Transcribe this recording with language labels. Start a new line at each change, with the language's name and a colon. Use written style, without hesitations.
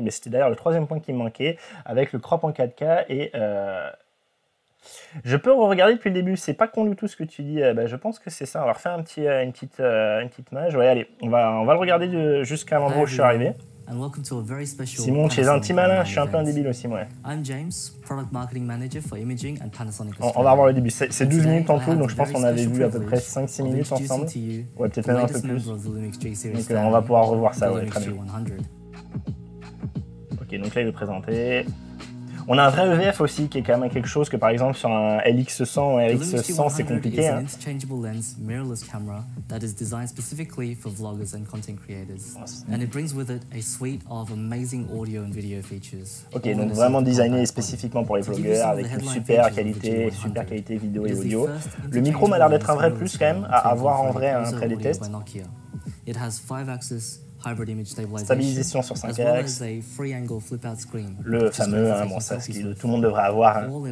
French: Mais c'était d'ailleurs le troisième point qui manquait avec le crop en 4K. Je peux re-regarder depuis le début. C'est pas con du tout ce que tu dis. Je pense que c'est ça. On va refaire une petite image. Ouais, allez, on va le regarder jusqu'à l'endroit où je suis arrivé.
English: And welcome to a very special Simon,
French: chez un petit malin, je suis un peu un débile aussi, moi.
English: I'm James, product marketing manager for imaging and Panasonic.
French: On va voir le début. C'est 12 minutes en tout, donc je pense qu'on avait vu à peu près 5-6 minutes ensemble. Ouais, peut-être même un peu plus. Donc on va pouvoir revoir ça, ouais, très bien. Ok, donc là il est présenté. On a un vrai EVF aussi qui est quand même quelque chose que par exemple sur un LX100 ou un RX100 c'est compliqué. Hein.
English: Interchangeable lens mirrorless camera that is designed specifically for vloggers and content creators. And it brings with it a suite of amazing audio and video features.
French: Ok, donc vraiment designé spécifiquement pour les vloggers avec une super qualité vidéo et audio. Le micro m'a l'air d'être un vrai plus quand même à avoir en vrai après les tests.
English: It has 5 axes.
French: Hybrid image stabilisation sur 5 axes, le fameux, hein, bon, ça, ce que tout le monde devrait avoir, hein.